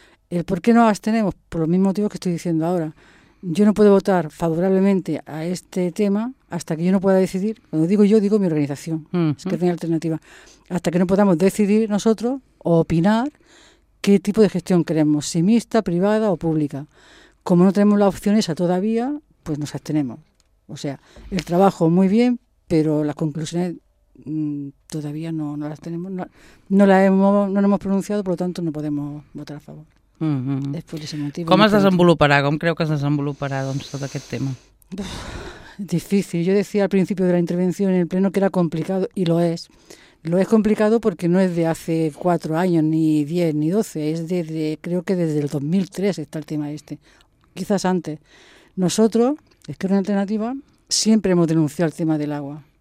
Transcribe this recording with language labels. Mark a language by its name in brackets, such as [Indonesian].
[Spanish] ¿El por qué nos abstenemos? Por los mismos motivos que estoy diciendo ahora. Yo no puedo votar favorablemente a este tema hasta que yo no pueda decidir, cuando digo yo, digo mi organización, es que no hay alternativa, hasta que no podamos decidir nosotros o opinar qué tipo de gestión queremos, si mixta, privada o pública. Como no tenemos la opción esa todavía, pues nos abstenemos. O sea, el trabajo muy bien, pero las conclusiones todavía no las tenemos, no nos hemos pronunciado, por lo tanto no podemos votar a favor. [Catalan] Com es desenvoluparà? Com creu que es desenvoluparà doncs, tot aquest tema? Difícil. [Spanish] Yo decía al principio de la intervención en el pleno que era complicado, y lo es. Lo es complicado porque no es de hace 4 años, ni 10, ni 12. Es desde, creo que desde el 2003 está el tema este. Quizás antes. Nosotros, es que era una alternativa, siempre hemos denunciado el tema del agua.